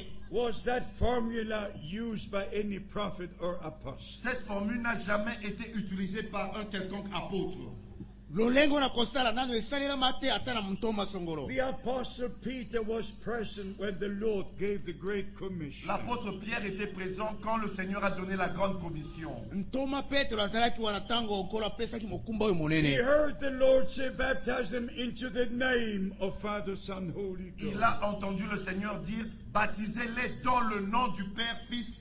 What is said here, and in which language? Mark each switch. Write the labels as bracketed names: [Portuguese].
[English] Was that formula used by any prophet or apostle? [French] Cette formule n'a jamais été utilisée par un quelconque apôtre. [English] The Apostle Peter was present when the Lord gave the Great Commission. [French] L'apôtre Pierre était présent quand le Seigneur a donné la grande commission. [English] He heard the Lord say, "Baptize them into the name of Father, Son, Holy Ghost." [French] Il a entendu le Seigneur dire, "Baptisez-les dans le nom du Père, Fils."